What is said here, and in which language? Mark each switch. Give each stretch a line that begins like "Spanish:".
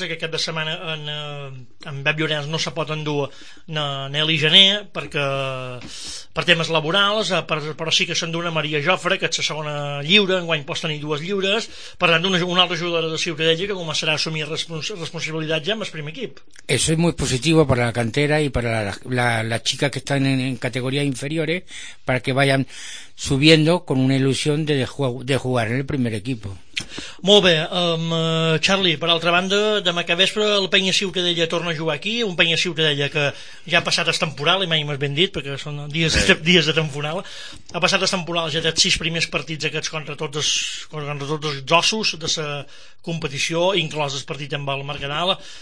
Catalan: Aquest cap de setmana en Pep Llorenç no se pot endur Nelly Gené perquè, per temes laborals, però sí que s'endú una Maria Jofre, que és la segona lliure, enguany pots tenir dues lliures, per tant, una altra jugadora de Ciutadella que començarà a assumir responsabilitat ja amb el primer equip.
Spanish: Eso es muy positivo para la cantera y para las chicas que están en categorías inferiores, para que vayan subiendo con una ilusión de jugar en el primer equipo.
Catalan: Molt bé, Charlie, per altra banda, demà que vespre el Penya Ciutadella torna a jugar aquí, un Penya Ciutadella que ja ha passat el temporal, i mai m'has ben dit, perquè són dies de temporal, ha passat el temporal, ja té 6 primers partits aquests contra tots els ossos de la competició, inclòs el partit amb el Mercadal.